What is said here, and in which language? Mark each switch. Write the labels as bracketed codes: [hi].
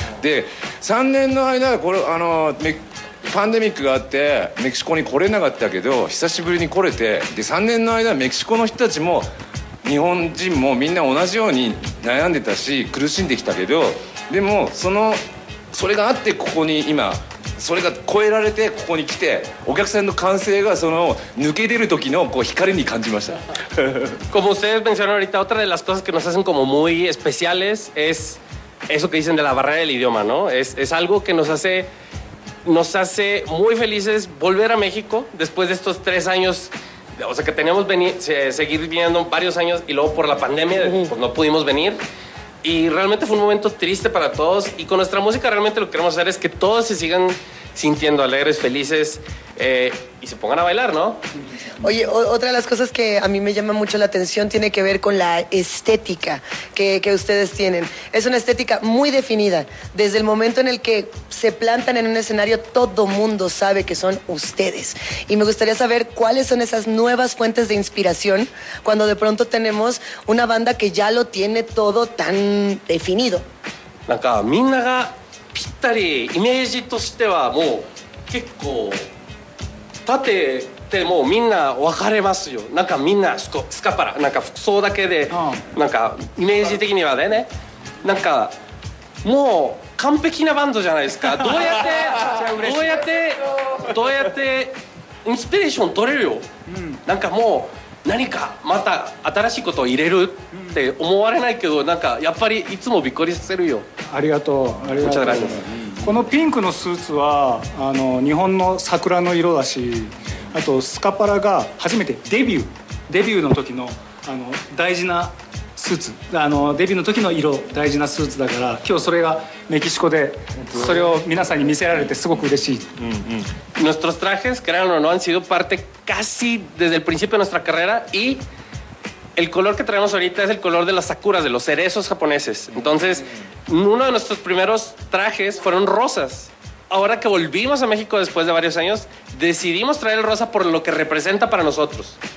[ja] で3年の間これあのパンデミックがあってメキシコに来れなかったけど、久しぶりに来れて、で3年の間メキシコの人たちも日本人もみんな同じように悩んでたし苦しんできたけど、でもそれがあってここに今それが超えられてここに来て、お客さんの歓声がその抜け出る時のこう光に感じました。 [es] Como ustedes mencionaron ahorita, otra de las cosas que nos hacen como muy especiales es eso que dicen de la barrera del idioma, ¿no? Es algo que nos hace muy felices volver a México después de estos tres años, o sea que teníamos seguir viniendo varios años y luego por la pandemia pues no pudimos venir. Y realmente fue un momento triste para todos. Y con nuestra música realmente lo que queremos hacer es que todos se sigan sintiendo alegres, felices y se pongan a bailar, ¿no? Oye, otra de las cosas que a mí me llama mucho la atención tiene que ver con la estética que ustedes tienen. Es una estética muy definida. Desde el momento en el que se plantan en un escenario, todo mundo sabe que son ustedes. Y me gustaría saber cuáles son esas nuevas fuentes de inspiración cuando de pronto tenemos una banda que ya lo tiene todo tan definido. [ja] なんかみんながぴったりイメージとしてはもう結構立ててもうみんな分かれますよ。なんかみんなスカパラなんか服装だけで、なんかイメージ的にはね、なんかもう完璧なバンドじゃないですか。どうやってインスピレーション取れるよ、なんかもう何かまた新しいことを入れるって思われないけど、なんかやっぱりいつもびっくりさせるよ。ありがとう、ありがとう。このピンクのスーツはあの日本の桜の色だし、あとスカパラが初めてデビューの時 の, あの大事なスーツ、あのデビューの時の色、大事なスーツだから、今日それがメキシコでそれを皆さんに見せられてすごく嬉しい。 [es] Nuestros trajes, créanlo, no han sido parte casi desde el principio de nuestra carrera, y el color que traemos ahorita es el color de las sakuras, de los cerezos japoneses. Entonces, uno de nuestros primeros trajes fueron rosas. Ahora que volvimos a México después de varios años, decidimos traer el rosa por lo que representa para nosotros.